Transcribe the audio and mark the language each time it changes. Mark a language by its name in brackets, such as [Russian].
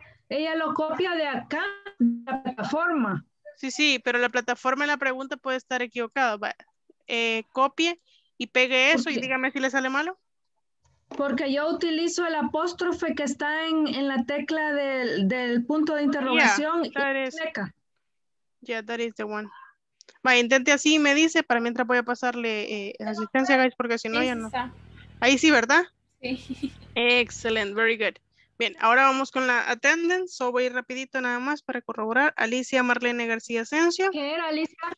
[Spanish] Ella lo copia de acá, de la plataforma. Sí, sí, pero la plataforma en la pregunta puede estar equivocada. Copie y pegue eso y dígame si le sale malo. Porque yo utilizo el apóstrofe que está en la tecla del punto de interrogación. [English] Yeah, that is, yeah, that is the one. [Spanish] Vale, intente así, me dice, para mientras voy a pasarle asistencia, guys, porque si no, ya no. Ahí sí, ¿verdad? Sí. [English] Excellent, very good. [Spanish] Bien, ahora vamos con la attendance. So voy rapidito nada más para corroborar. Alicia Marlene García Asensio. ¿Qué era, Alicia?